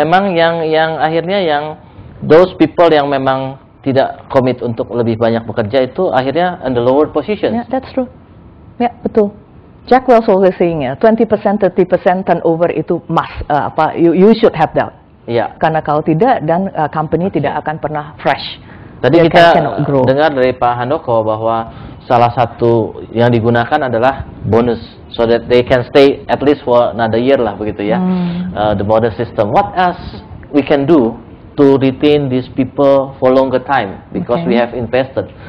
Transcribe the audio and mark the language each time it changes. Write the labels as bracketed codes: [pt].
[id] Memang yang akhirnya yang those people yang memang tidak commit untuk lebih banyak bekerja itu akhirnya [en] in the lower positions. Yeah, that's true. Yeah, [id] betul. [en] Jack Welch always saying ya, 20% 30% turnover itu must you should have that. [id] Iya. Karena kalau tidak dan company tidak akan pernah fresh. Tadi kita dengar dari Pak Handoko bahwa salah satu yang digunakan adalah bonus [en] so that they can stay at least for another year [id] lah begitu ya. [en] The bonus system. What else we can do to retain these people for longer time because we have invested.